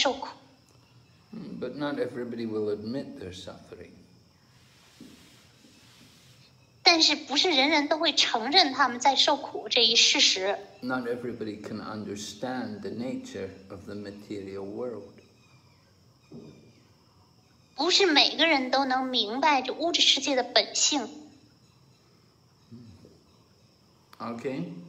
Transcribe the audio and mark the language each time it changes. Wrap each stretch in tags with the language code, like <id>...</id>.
<zh>就在物质世界，每个人都在受苦。</zh> <en>But not everybody will admit their suffering.</en> <zh>但是不是人人都会承认他们在受苦这一事实。</zh> <en>Not everybody can understand the nature of the material world.</en> <zh>不是每个人都能明白这物质世界的本性。Okay.</zh>